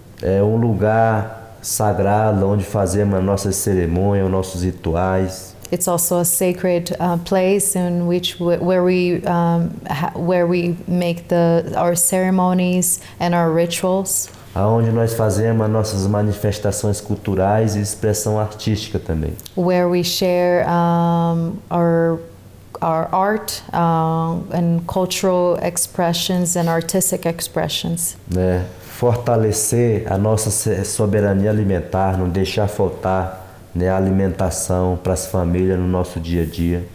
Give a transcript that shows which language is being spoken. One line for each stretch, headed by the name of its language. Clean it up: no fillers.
Portuguese: É um lugar sagrado onde fazemos a nossa cerimônia, os nossos rituais.
English: It's also a sacred place in which where we make our ceremonies and our rituals.
Portuguese: Aonde nós fazemos as nossas manifestações culturais e expressão artística também.
English: Where we share our art and cultural expressions and artistic expressions. Né?
Portuguese: Fortalecer a nossa soberania alimentar, não deixar faltar, né, alimentação para as famílias no nosso dia a dia.